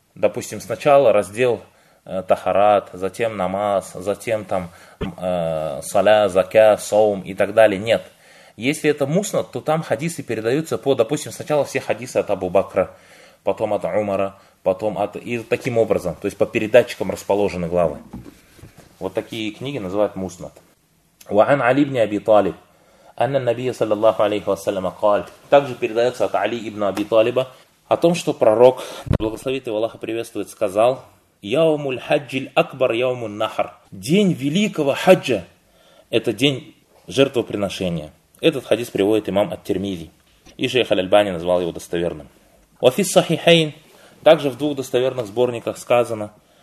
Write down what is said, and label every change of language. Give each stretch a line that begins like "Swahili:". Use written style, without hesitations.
Russian: Допустим, сначала раздел тахарат, затем намаз, затем там саля, закя, соум и так далее. Нет. Если это муснад, то там хадисы передаются по, допустим, сначала все хадисы от Абу Бакра, потом от Умара, потом от... И таким образом, то есть по передатчикам расположены главы. Вот такие книги называют муснад.
Arabic: وَعَنْ عَلِي بْنِ أَبِي طَالِبْ أَنَّ النَّبِيَّ صَلَى اللَّهُ عَلَيْهُ وَسَلَّمَ قَالْ.
Russian: Также передается от Али ибн Аби Талиба, о том, что пророк, да благословит его Аллаха приветствует, сказал:
Arabic: «Яумуль хаджиль акбар яумун нахар».
Russian: День великого хаджа – это день жертвоприношения. Этот хадис приводит имам ат-Тирмизи. И шейх аль-Альбани назвал его достоверным.
Arabic: «Вафис сахихейн»
Russian: – также в двух достоверных сборниках сказано.